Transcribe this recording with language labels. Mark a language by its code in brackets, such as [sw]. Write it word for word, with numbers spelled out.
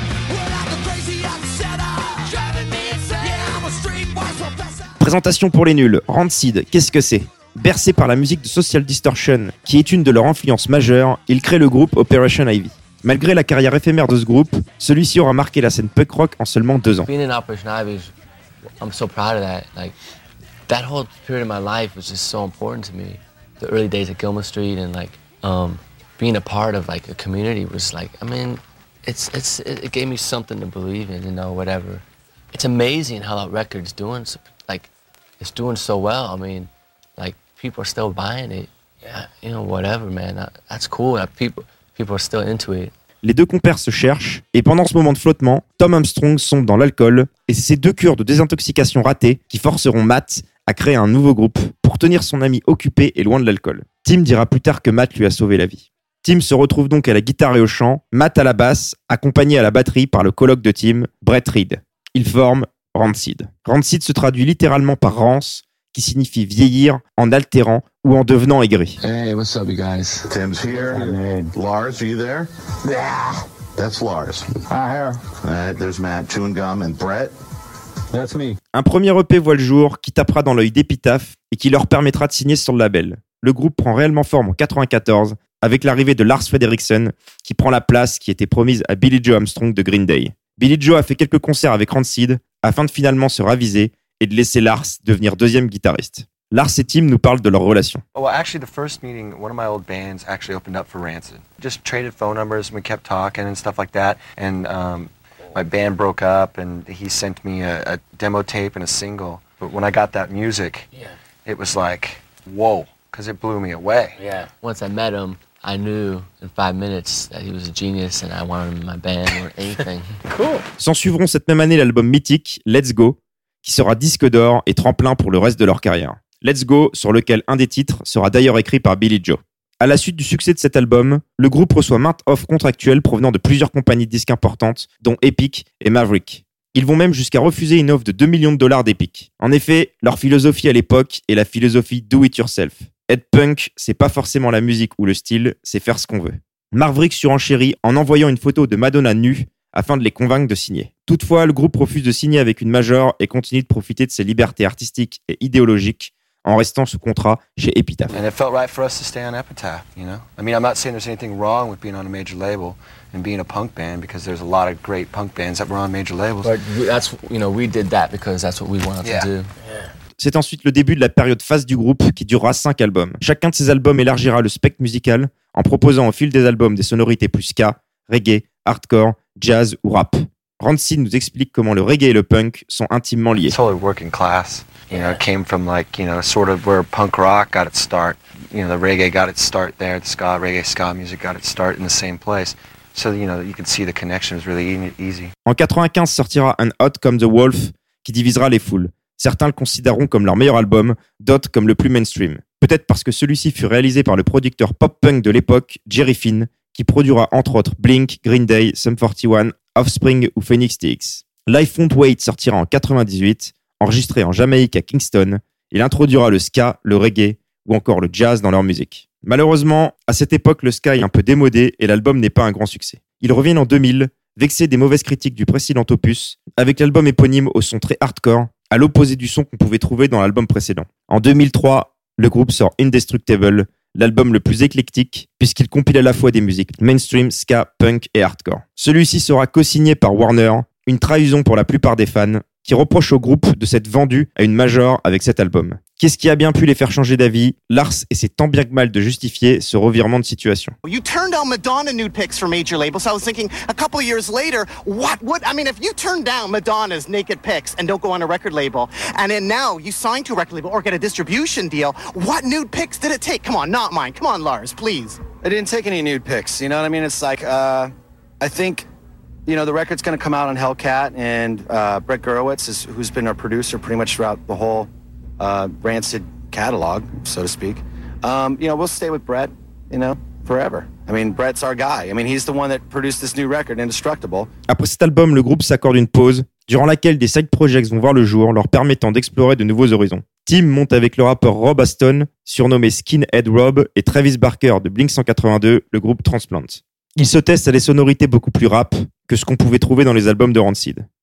[en] Without the crazy outsider, driving me insane. Yeah, I'm a streetwise professor. [fr] Présentation pour les nuls. Rancid, qu'est-ce que c'est ? Bercé par la musique de Social Distortion, qui est une de leurs influences majeures, ils créent le groupe Operation Ivy. Malgré la carrière éphémère de ce groupe, celui-ci aura marqué la scène punk rock en seulement deux ans. [en] Being in Operation Ivy, I'm so proud of that. Like that whole period of my life was just so important to me. The early days at Gilman Street and like um, being a part of like a community was like, I mean, it's it's it gave me something to believe in, you know, whatever. It's amazing how that record's doing, like it's doing so well. I mean. Like people are still buying it, yeah, you know, whatever, man. That's cool. That people, people are still into it. [fr] Les deux compères se cherchent et pendant ce moment de flottement, Tom Armstrong sombre dans l'alcool et c'est ces deux cures de désintoxication ratées qui forceront Matt à créer un nouveau groupe pour tenir son ami occupé et loin de l'alcool. Tim dira plus tard que Matt lui a sauvé la vie. Tim se retrouve donc à la guitare et au chant, Matt à la basse, accompagné à la batterie par le coloc de Tim, Brett Reed. Ils forment Rancid. Rancid se traduit littéralement par rance, qui signifie vieillir en altérant ou en devenant aigri. [en] Hey, what's up, you guys? Tim's here. Lars, are you there? Yeah. That's Lars. Ah, here. All right, there's Matt chewing gum and Brett. That's me. [fr] Un premier E P voit le jour qui tapera dans l'œil d'Epitaph et qui leur permettra de signer sur le label. Le groupe prend réellement forme en quatre-vingt-quatorze avec l'arrivée de Lars Frederiksen qui prend la place qui était promise à Billy Joe Armstrong de Green Day. Billy Joe a fait quelques concerts avec Rancid afin de finalement se raviser et de laisser Lars devenir deuxième guitariste. Lars et Tim nous parlent de leur relation. [en] Oh, well, actually, the first meeting, one of my old bands actually opened up for Rancid. Just traded phone numbers, and we kept talking and stuff like that. And um, my band broke up, and he sent me a, a demo tape and a single. But when I got that music, yeah. It was like, whoa, because it blew me away. Yeah. Once I met him, I knew in five minutes that he was a genius, and I wanted him in my band or anything. Cool. [fr] S'en suivront cette même année l'album mythique Let's Go, qui sera disque d'or et tremplin pour le reste de leur carrière. Let's Go, sur lequel un des titres sera d'ailleurs écrit par Billy Joe. À la suite du succès de cet album, le groupe reçoit maintes offres contractuelles provenant de plusieurs compagnies de disques importantes, dont Epic et Maverick. Ils vont même jusqu'à refuser une offre de deux millions de dollars d'Epic. En effet, leur philosophie à l'époque est la philosophie [en] do it yourself. [fr] Être punk, c'est pas forcément la musique ou le style, c'est faire ce qu'on veut. Maverick surenchérit en envoyant une photo de Madonna nue, afin de les convaincre de signer. Toutefois, le groupe refuse de signer avec une major et continue de profiter de ses libertés artistiques et idéologiques en restant sous contrat chez Epitaph. [en] And it felt right for us to stay on Epitaph, you know. I mean, I'm not saying there's anything wrong with being on a major label and being a punk band because there's a lot of great punk bands that were on major labels. But that's, you know, we did that because that's what we wanted yeah. to do. Yeah. [fr] C'est ensuite le début de la période phase du groupe qui durera cinq albums. Chacun de ces albums élargira le spectre musical en proposant au fil des albums des sonorités plus ska, reggae, hardcore, jazz ou rap. Rancid nous explique comment le reggae et le punk sont intimement liés. [en] It's totally working class. You know, it came from like, you know, sort of where punk rock got its start. You know, the reggae got its start there. The ska, reggae, ska music got its start in the same place. So, you know, you could see the connection was really easy. [fr] En quatre-vingt-quinze sortira Un Hot Comme The Wolf qui divisera les foules. Certains le considéreront comme leur meilleur album, d'autres comme le plus mainstream. Peut-être parce que celui-ci fut réalisé par le producteur pop-punk de l'époque, Jerry Finn, qui produira entre autres Blink, Green Day, Sum forty-one, Offspring ou Phoenix T X. Life Won't Wait sortira en quatre-vingt-dix-huit, enregistré en Jamaïque à Kingston. Il introduira le ska, le reggae ou encore le jazz dans leur musique. Malheureusement, à cette époque, le ska est un peu démodé et l'album n'est pas un grand succès. Ils reviennent en deux mille, vexés des mauvaises critiques du précédent opus, avec l'album éponyme au son très hardcore, à l'opposé du son qu'on pouvait trouver dans l'album précédent. En deux mille trois, le groupe sort Indestructible, l'album le plus éclectique, puisqu'il compile à la fois des musiques mainstream, ska, punk et hardcore. Celui-ci sera co-signé par Warner, une trahison pour la plupart des fans, qui reproche au groupe de s'être vendu à une major avec cet album. Qu'est-ce qui a bien pu les faire changer d'avis? Lars essaie tant bien que mal de justifier ce revirement de situation. [en] You turned down Madonna nude pics for major labels. I was thinking a couple years later, what would I mean if you turned down Madonna's naked pics and don't go on a record label, and then now you sign to a record label or get a distribution deal? What nude pics did it take? Come on, not mine. Come on, Lars, please. I didn't take any nude pics. You know what I mean? It's like uh, I think. You know, the record's going to come out on Hellcat, and uh, Brett Gurewitz, is, who's been our producer pretty much throughout the whole uh, Rancid catalog, so to speak. Um, you know, we'll stay with Brett, you know, forever. I mean, Brett's our guy. I mean, he's the one that produced this new record, Indestructible. [fr] Après cet album, le groupe s'accorde une pause, durant laquelle des side projects vont voir le jour, leur permettant d'explorer de nouveaux horizons. Tim monte avec le rappeur Rob Aston, surnommé Skinhead Rob, et Travis Barker de Blink cent quatre-vingt-deux, le groupe Transplant. Ils se testent à des sonorités beaucoup plus rap que ce qu'on pouvait trouver dans les albums de Rancid.